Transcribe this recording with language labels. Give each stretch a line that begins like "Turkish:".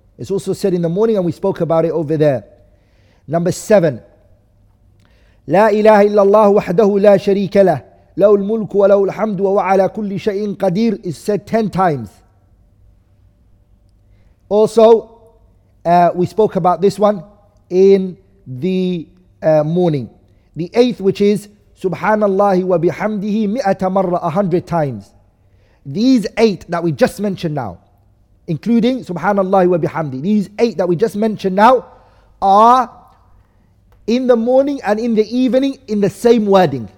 English: It's also said in the morning, and we spoke about it over there. Number seven,
Arabic: لا إله إلا الله وحده لا شريك له له الملك وله الحمد وهو على كل شيء قدير,
English: is said 10 times. Also, we spoke about this one in the morning. The eighth, which is
Arabic: سبحان الله وبحمده
English: 100 times. These eight that we just mentioned now, including
Arabic: سبحان الله وبحمده,
English: these eight that we just mentioned now are in the morning and in the evening, in the same wording.